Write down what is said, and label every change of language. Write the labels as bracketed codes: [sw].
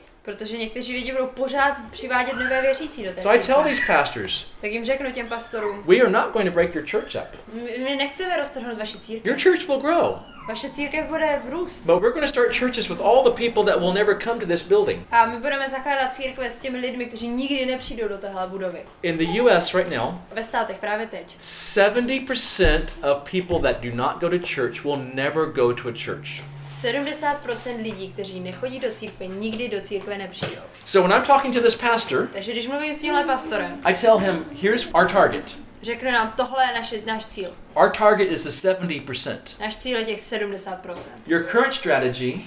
[cs] Protože někteří lidi budou pořád přivádět nové věřící do té církve. [en] So I tell these pastors. [cs] Tak jim řeknu těm pastorům. [en] We are not going to break your church up. [cs] My nechceme roztrhnout vaši církev. [en] Your church will grow. [cs] Vaše církev bude růst. [en] But we're going to start churches with all the people that will never come to this building. [cs] A my budeme zakládat církve s těmi lidmi, kteří nikdy nepřijdou do téhle budovy. [en] In the US right now. [cs] Ve státech právě teď. [en] 70% of people that do not go to church will never go to a church. [cs] 70% lidí, kteří nechodí do církve, nikdy do církve nepřijdou. [en] So when I'm talking to this pastor, [cs] takže když mluvím s tímhle pastorem, [en] I tell him, here's our target. [cs] Řeknu nám, tohle je náš cíl. [en] Our target is the 70%. [cs] Náš cíl je těch 70%. [en] Your current strategy,